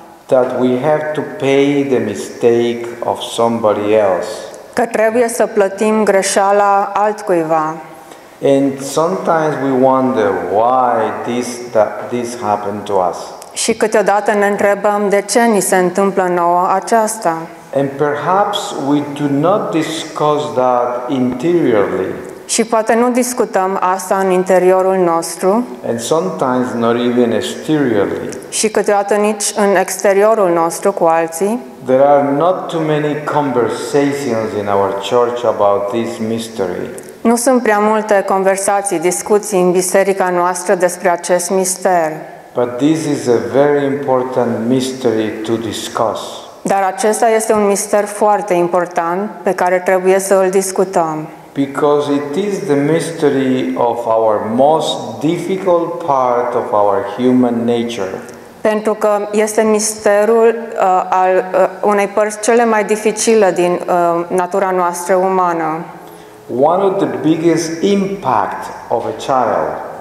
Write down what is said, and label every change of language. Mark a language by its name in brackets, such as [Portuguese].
[English] that we have to pay the mistake of somebody else, [Romanian] că trebuie să plătim greșeala altcuiva. [English] And sometimes we wonder why this happened to us. [Romanian] Și câteodată ne întrebăm de ce ni se întâmplă nouă aceasta. [English] And perhaps we do not discuss that interiorly. [Romanian] Și poate nu discutăm asta în interiorul nostru. [English] And sometimes not even exteriorly. [Romanian] Și câteodată nici în exteriorul nostru cu alții. [English] There are not too many conversations in our church about this mystery. [Romanian] Nu sunt prea multe conversații, discuții în biserica noastră despre acest mister. [English] But this is a very important mystery to discuss. [Romanian] Dar acesta este un mister foarte important pe care trebuie să îl discutăm. [English] Because it is the mystery of our most difficult part of our human nature. [Romanian] Pentru că este misterul al unei părți cele mai dificile din natura noastră umană. [English] One of the biggest impact of a child.